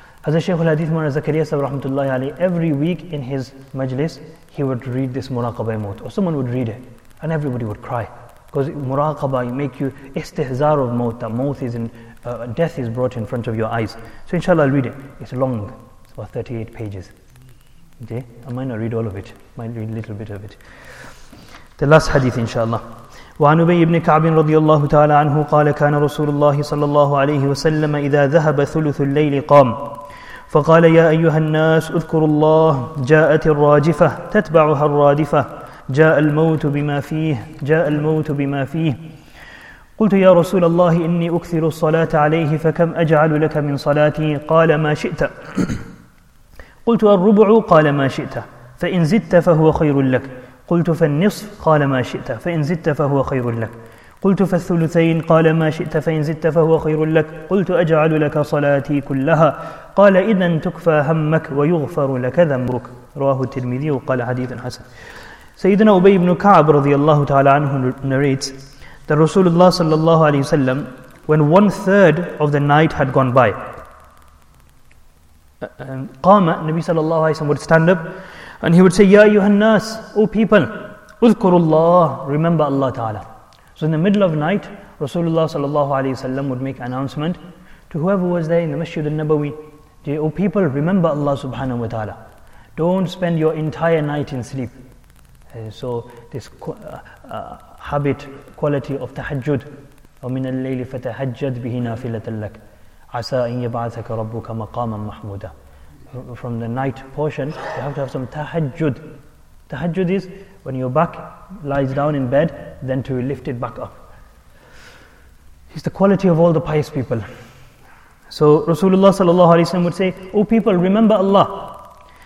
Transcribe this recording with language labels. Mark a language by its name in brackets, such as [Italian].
[English] Hazrat Shaykh al-Hadith Mawlana Zakariya Sahib rahmatullahi alayhi, every week in his majlis, he would read this muraqabah maut, or someone would read it, and everybody would cry. Because muraqabah make you istihzar of maut, that maut is in, death is brought in front of your eyes. So inshallah I'll read it. It's long, it's about 38 pages. Okay? I might not read all of it, I might read a little bit of it. The last hadith inshallah. [Arabic] وعن أبي بن كعب رضي الله تعالى عنه قال كان رسول الله صلى الله عليه وسلم إذا ذهب ثلث الليل قام فقال يا أيها الناس اذكروا الله جاءت الراجفة تتبعها الرادفة جاء الموت بما فيه جاء الموت بما فيه قلت يا رسول الله إني أكثر الصلاة عليه فكم أجعل لك من صلاتي قال ما شئت قلت الربع قال ما شئت فإن زدت فهو خير لك قلت فالنصف قال ما شئت فإن زدت فهو خير لك قلت فالثلثين قال ما شئت فإن زدت فهو خير لك قلت أجعل لك صلاتي كلها قال إذن تكفى همك ويغفر لك ذنبك رواه الترمذي وقال حديث حسن. سيدنا أبي بن كعب رضي الله تعالى عنه [English] narrates that Rasulullah sallallahu alayhi wa sallam, when one third of the night had gone by, qama, Nabi sallallahu alayhi wa sallam would stand up and he would say, Ya ayyuhan nas, O people, Udhkurullah, remember Allah Ta'ala. So in the middle of night, Rasulullah sallallahu alayhi wa sallam would make announcement to whoever was there in the Masjid al-Nabawi, O people, remember Allah subhanahu wa ta'ala. Don't spend your entire night in sleep. So this habit, quality of tahajjud, [Arabic] وَمِنَ اللَّيْلِ فَتَحَجَّدْ بِهِ نَافِلَةً لَكَ عَسَىٰ أَنْ يَبْعَثَكَ رَبُّكَ مَقَامًا مَحْمُودًا. [English] From the night portion, you have to have some tahajjud. Tahajjud is when your back lies down in bed, then to lift it back up. It's the quality of all the pious people. So Rasulullah sallallahu alayhi wa sallam would say, O people, remember Allah.